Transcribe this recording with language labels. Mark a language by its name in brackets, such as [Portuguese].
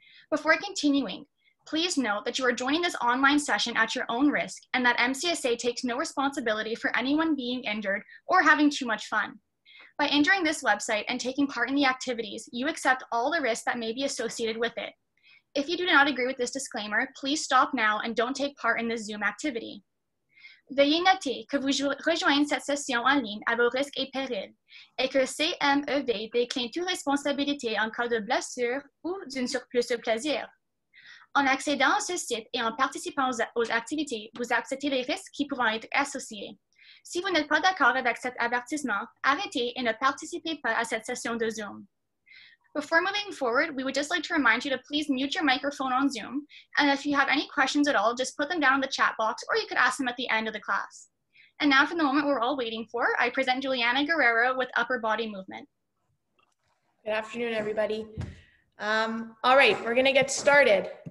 [English] Before continuing, please note that you are joining this online session at your own risk and that MCSA takes no responsibility for anyone being injured or having too much fun. By entering this website and taking part in the activities, you accept all the risks that may be associated with it. If you do not agree with this disclaimer, please stop now and don't take part in this Zoom activity. [French] Veuillez noter que vous rejoignez cette session en ligne à vos risques et périls, et que CMEV décline toute responsabilité en cas de blessure ou d'un surplus de plaisir. En accédant à ce site et en participant aux activités, vous acceptez les risques qui pourront être associés. Si vous n'êtes pas d'accord avec cet avertissement, arrêtez et ne participez pas à cette session de Zoom. [English] Before moving forward, we would just like to remind you to please mute your microphone on Zoom, and if you have any questions at all, just put them down in the chat box, or you could ask them at the end of the class. And now for the moment we're all waiting for, I present Juliana Guerrero with upper body movement. Good afternoon, everybody. All right, we're gonna get started.